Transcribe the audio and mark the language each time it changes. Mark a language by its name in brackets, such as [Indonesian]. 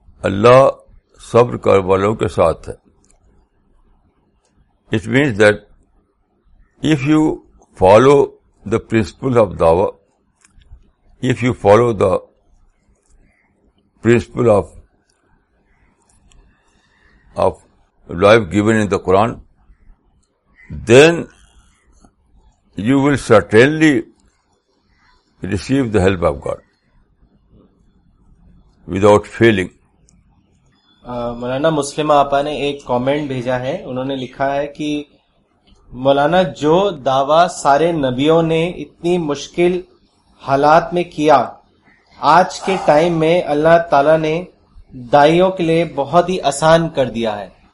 [Urdu] Allah صبر کر والوں کے ساتھ ہے. [English] It means that if you follow the principle of dawah, if you follow the principle of life given in the Quran, then you will certainly receive the help of God without failing. [Urdu] مولانا مسلم آپا نے ایک comment بھیجا ہے, انہوں نے لکھا ہے کہ مولانا جو دعویٰ سارے نبیوں نے اتنی مشکل حالات میں کیا, آج کے ٹائم میں اللہ تعالی نے دائیوں کے لیے بہت ہی آسان کر دیا ہے.